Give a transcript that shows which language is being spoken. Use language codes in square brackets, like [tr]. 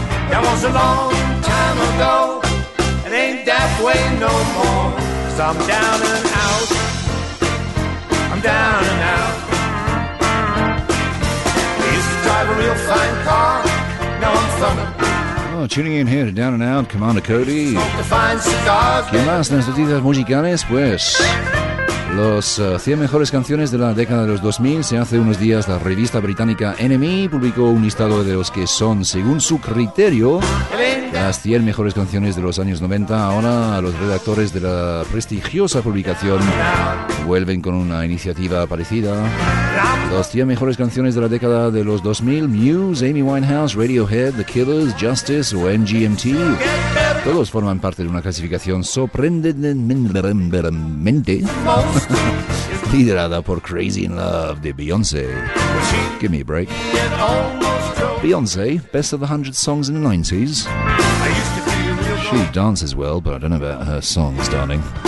[en] That was a long time ago, it ain't that way no more. Cause I'm down and out, I'm down and out. I used to drive a real fine car, now I'm thumbing. Oh, tuning in here to Down and Out, Commander Cody. [es] ¿Qué más las noticias musicales? Pues los 100 mejores canciones de la década de los 2000. Se hace unos días la revista británica NME publicó un listado de los que son, según su criterio, las 100 mejores canciones de los años 90. Ahora los redactores de la prestigiosa publicación vuelven con una iniciativa parecida. Los 100 mejores canciones de la década de los 2000: Muse, Amy Winehouse, Radiohead, The Killers, Justice o MGMT. Todos forman parte de una clasificación sorprendentemente liderada por Crazy in Love de Beyoncé. [en] Give me a break. Beyoncé, best of the 100 songs in the 90s. She dances well, but I don't know about her songs, darling.